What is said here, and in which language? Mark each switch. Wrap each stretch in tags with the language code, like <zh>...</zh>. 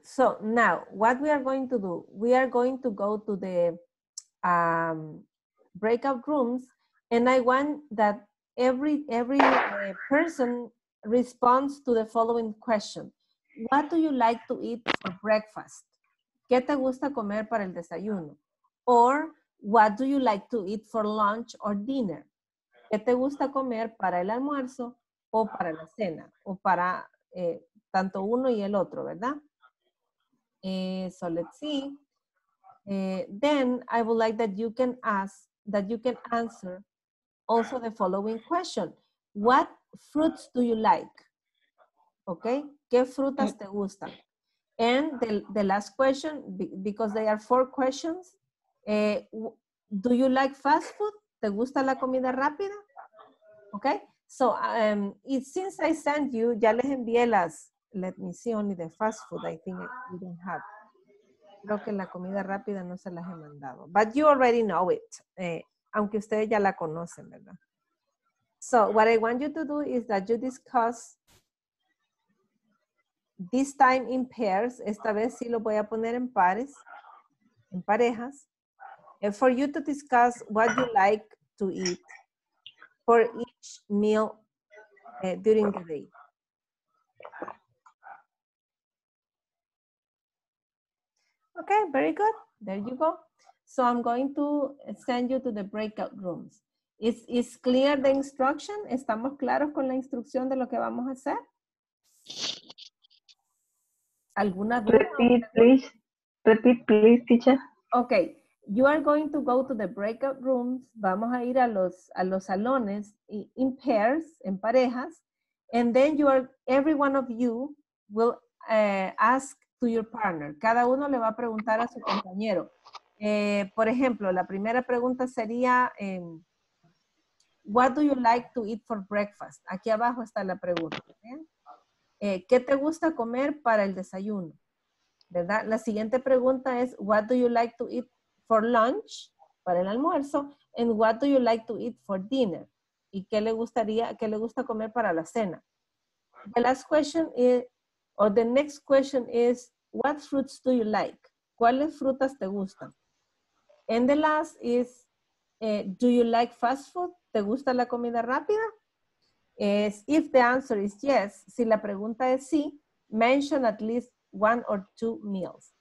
<en>So now, what we are going to do? We are going to go to the breakout rooms, and I want that every person responds to the following question. What do you like to eat for breakfast?</en> <es>¿Qué te gusta comer para el desayuno?</es> <en>Or what do you like to eat for lunch or dinner?</en> <es>¿Qué te gusta comer para el almuerzo o para la cena? O para tanto uno y el otro, ¿verdad?</es> <en>So let's see. Then I would like that you can ask, that you can answer also the following question. What fruits do you like? Okay,</en> <es>¿qué frutas te gustan?</es> <en>And the last question, because there are four questions, do you like fast food?</en> <es>¿Te gusta la comida rápida?</es> <en>Okay, so since I sent you,</en> <es>ya les envié las,</es> <en>let me see, only the fast food, I think you didn't have.</en> <es>Creo que la comida rápida no se las he mandado.</es> <en>But you already know it,</en> <es>aunque ustedes ya la conocen, ¿verdad?</es> <en>So what I want you to do is that you discuss this time in pairs.</en> <es>Esta vez sí lo voy a poner en pares, en parejas.</es> <en>And for you to discuss what you like to eat for each meal during the day. Okay, very good. There you go. So I'm going to send you to the breakout rooms. Is clear the instruction?</en> <es>¿Estamos claros con la instrucción de lo que vamos a hacer? ¿Alguna duda?</es> <en>Repeat, please, teacher. Okay, you are going to go to the breakout rooms.</en> <es>Vamos a ir a los salones</es> <en>in pairs,</en> <es>en parejas.</es> <en>And then you are, every one of you will ask to your partner.</en> <es>Cada uno le va a preguntar a su compañero. Por ejemplo, la primera pregunta sería...</es> <en>What do you like to eat for breakfast?</en> <es>Aquí abajo está la pregunta. ¿Qué te gusta comer para el desayuno? ¿Verdad? La siguiente pregunta es,</es> <en>what do you like to eat for lunch?</en> <es>Para el almuerzo.</es> <en>And what do you like to eat for dinner?</en> <es>¿Y qué le gusta comer para la cena?</es> <en>The last question is, or the next question is, what fruits do you like?</en> <es>¿Cuáles frutas te gustan?</es> <en>And the last is, do you like fast food?</en> <es>¿Te gusta la comida rápida?</es> <en>If the answer is yes,</en> <es>si la pregunta es sí,</es> <en>mention at least one or two meals.</en>